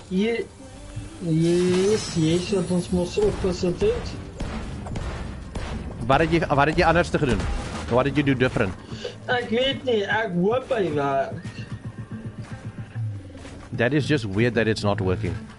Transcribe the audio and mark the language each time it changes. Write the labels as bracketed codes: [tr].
[af] Yes, het ons mos opgesit het. Wat het jy anders te gedoen? [en] What did you do different? [af] Ek weet nie, ek hoop hy werk. [en] That is just weird that it's not working.